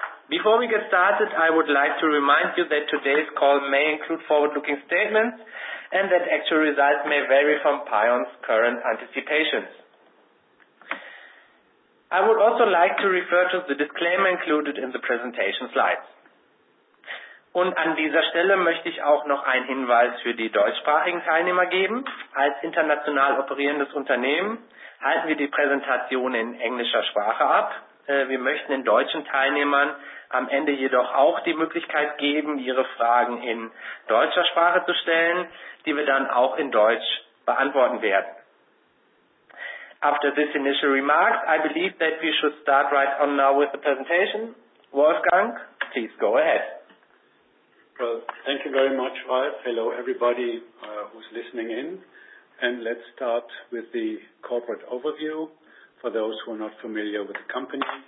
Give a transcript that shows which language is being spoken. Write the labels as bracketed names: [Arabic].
[English] Before we get started, I would like to remind you that today's call may include forward-looking statements and that actual results may vary from PION's current anticipations. I would also like to refer to the disclaimer included in the presentation slides. [German] An dieser Stelle möchte ich auch noch einen Hinweis für die deutschsprachigen Teilnehmer geben. Als international operierendes Unternehmen halten wir die Präsentation in englischer Sprache ab. Wir möchten den deutschen Teilnehmern am Ende jedoch auch die Möglichkeit geben, ihre Fragen in deutscher Sprache zu stellen, die wir dann auch in Deutsch beantworten werden. [English] After this initial remark, I believe that we should start right on now with the presentation. Wolfgang, please go ahead. Well, thank you very much, Ralf. Hello, everybody who's listening in. Let's start with the corporate overview for those who are not familiar with the company.